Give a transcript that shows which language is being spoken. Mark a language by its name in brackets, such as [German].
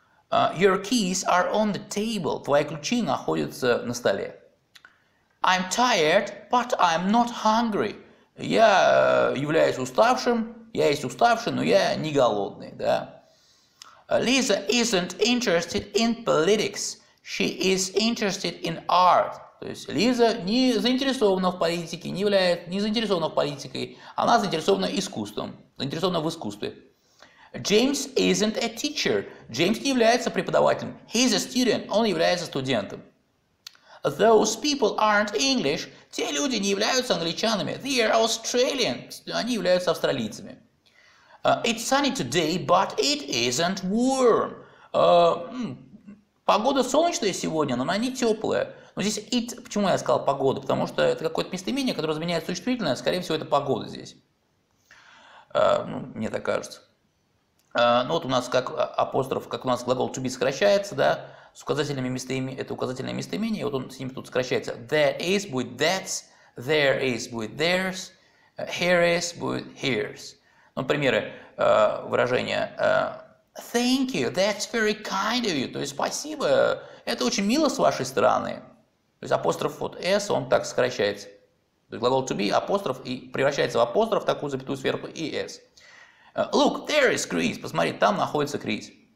[English] Your keys are on the table. [Russian] Твои ключи находятся на столе. [English] I'm tired, but I'm not hungry. [Russian] Я являюсь уставшим. Я есть уставший, но я не голодный. Да? [English] Lisa isn't interested in politics. She is interested in art. [Russian] То есть Лиза не заинтересована в политике, не является не заинтересована в политике, она заинтересована искусством, заинтересована в искусстве. [English] James isn't a teacher. [Russian] James не является преподавателем. [English] He's a student. [Russian] Он является студентом. [English] Those people aren't English. [Russian] Те люди не являются англичанами. [English] They are Australians. [Russian] Они являются австралийцами. [English] It's sunny today, but it isn't warm. [Russian] Погода солнечная сегодня, но она не теплая. Но здесь it, почему я сказал погода? Потому что это какое-то местоимение, которое заменяет существительное. Скорее всего, это погода здесь. Ну, мне так кажется. Ну, вот у нас как апостроф, как у нас глагол to be сокращается, да, с указательными местоимениями, это указательное местоимение, и вот он с ним тут сокращается. [English] There is будет that's, there is будет there's, here is будет here's. [Russian] Ну, примеры выражения. [English] Thank you, that's very kind of you. [Russian] То есть, спасибо, это очень мило с вашей стороны. То есть апостроф вот s, он так сокращается. То есть глагол to be, апостроф, и превращается в апостроф, такую запятую сверху, и s. [English] Look, there is Chris. [Russian] Посмотри, там находится Chris.